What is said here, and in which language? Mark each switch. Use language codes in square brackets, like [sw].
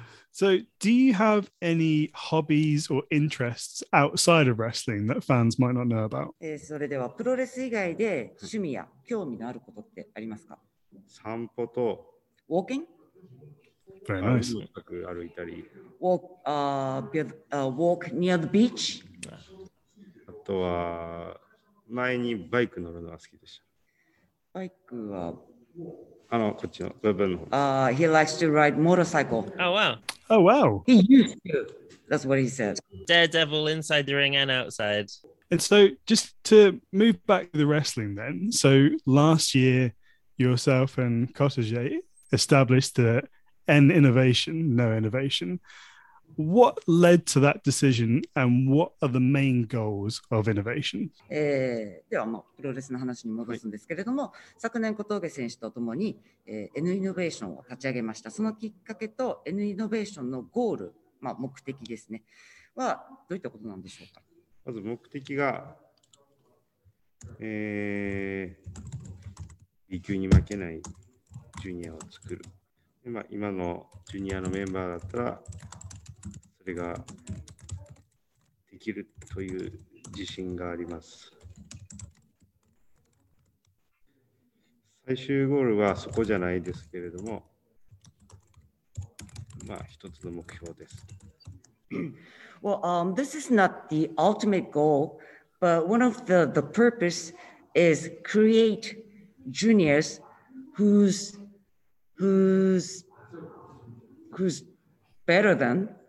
[en] So, do you have any hobbies or interests outside of wrestling that fans might not know about? [ja] それではプロレス以外で趣味や興味のあることってありますか? 散歩と [en] Walking? Very nice. [ja] 歩いたり [en] Walk near the beach? [ja] あとは前にバイク乗るのが好きでした。バイクはあのこっちの部分の方。 [en] He likes to ride motorcycle. Oh wow. Oh wow. He used to. That's what he said. Daredevil inside the ring and outside. And so, just to move back to the wrestling, then. So last year, yourself and Cottage established an innovation, no innovation. What led to that decision, and what are the main goals of innovation? [ja] ではまあプロレスの話に戻すんですけれども、はい、昨年小峠選手とともに、N イノベーションを立ち上げました。そのきっかけと N イノベーションのゴール、まあ、目的ですねはどういったことなんでしょうか。まず目的が、B 級に負けないジュニアを作る。で、まあ、今のジュニアのメンバーだったらそれができるという自信があります。最終ゴールはそこじゃないですけれども、まあ一つの目標です。 [en] Well, this is not the ultimate goal, but one of the purpose is create juniors who's better than.